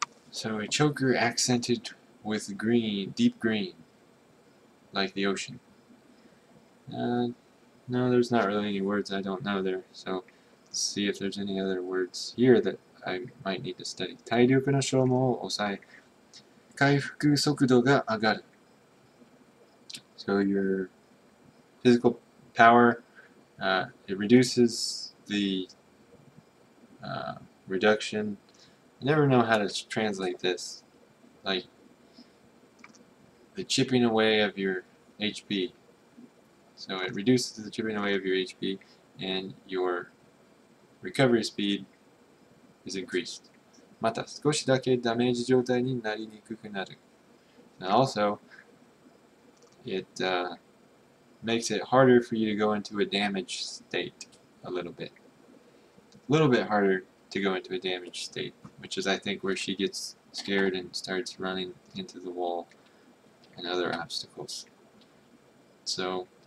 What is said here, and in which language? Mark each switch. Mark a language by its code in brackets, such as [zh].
[en] So a choker accented with green, deep green, like the ocean. No, there's not really any words I don't know there, so let's see if there's any other words here that I might need to study. [ja] 体力の消耗を抑え, 回復速度が上がる. [en] So your physical power, it reduces the reduction. I never know how to translate this. Like, the chipping away of your HP. So it reduces the chipping away of your HP, and your recovery speed is increased. [ja] また少しだけダメージ状態になりにくくなる. [en] And also, it makes it harder for you to go into a damaged state a little bit. A little bit harder to go into a damaged state, which is, I think, where she gets scared and starts running into the wall and other obstacles. So